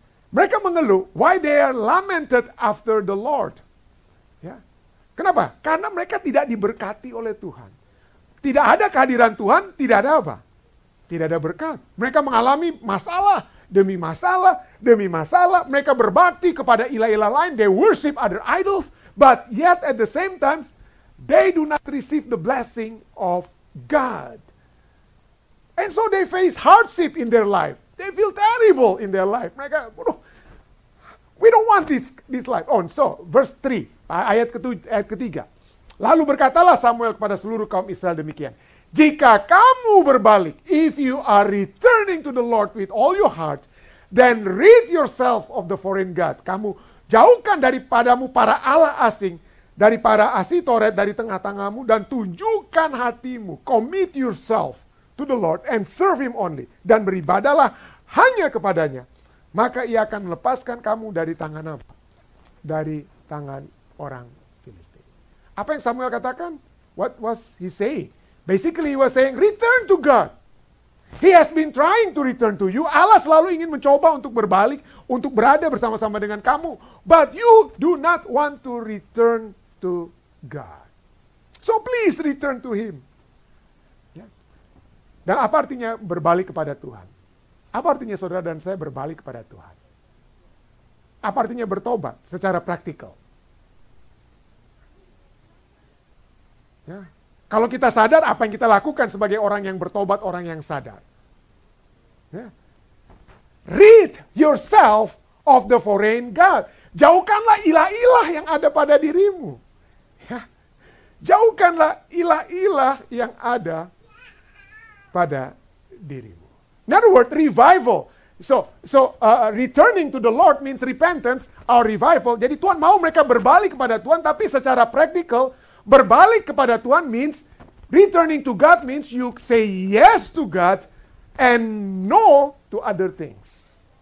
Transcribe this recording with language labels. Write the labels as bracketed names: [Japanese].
[Indonesian] Mereka mengeluh, [English] why they are lamented after the Lord? [Indonesian] Ya. Kenapa? Karena mereka tidak diberkati oleh Tuhan. Tidak ada kehadiran Tuhan, tidak ada apa? Tidak ada berkat. Mereka mengalami masalah demi masalah demi masalah. Mereka berbakti kepada ilah-ilah lain. [English] They worship other idols. But yet at the same time, they do not receive the blessing of God. And so they face hardship in their life. They feel terrible in their life. Mereka, we don't want this life. Oh, so verse 3, [Indonesian] ayat ketiga. Lalu berkatalah Samuel kepada seluruh kaum Israel demikian. Jika kamu berbalik, [English] if you are returning to the Lord with all your heart, then rid yourself of the foreign God. [Indonesian] Kamu jauhkan daripadamu para allah asing, dari para asitoret dari tengah-tengahmu, dan tunjukkan hatimu. [English] Commit yourself to the Lord and serve him only. [Indonesian] Dan beribadahlah hanya kepadanya. Maka ia akan melepaskan kamu dari tangan apa? Dari tangan orang. Apa yang Samuel katakan? [English] What was he saying? Basically, he was saying, return to God. He has been trying to return to you. [Indonesian] Allah selalu ingin mencoba untuk berbalik, untuk berada bersama-sama dengan kamu. [English] But you do not want to return to God. So please return to him. [Indonesian] Ya. Dan apa artinya berbalik kepada Tuhan? Apa artinya saudara dan saya berbalik kepada Tuhan? Apa artinya bertobat secara praktikal? Ya. Kalau kita sadar, apa yang kita lakukan sebagai orang yang bertobat, orang yang sadar? Ya. [English] Rid yourself of the foreign God. [Indonesian] Jauhkanlah ilah-ilah yang ada pada dirimu. Ya. Jauhkanlah ilah-ilah yang ada pada dirimu. [English] In other words, revival. Returning to the Lord means repentance, our revival. [Indonesian] Jadi Tuhan mau mereka berbalik kepada Tuhan, [English] tapi secara praktikal, berbalik kepada Tuhan means, returning to God means you say yes to God and no to other things.